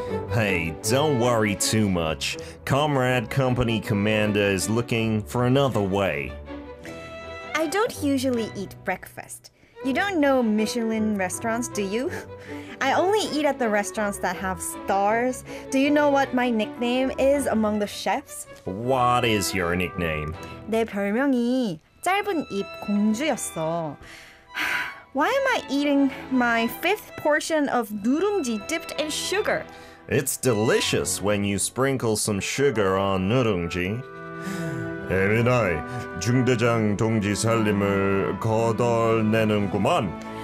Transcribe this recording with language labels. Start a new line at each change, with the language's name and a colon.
English: 'Hey, don't worry too much. Comrade Company Commander is looking for another way. I don't usually eat breakfast. You don't know Michelin restaurants, do you? I only eat at the restaurants that have stars. Do you know what my nickname is among the chefs? What is your nickname?
Korean: 내 별명이 짧은 입 공주였어.
English: Why am I eating my fifth portion of 누룽지 dipped in sugar? It's delicious when you sprinkle some sugar on 누룽지.
Korean: 에미나이, 중대장 동지 살림을 거덜내는구만.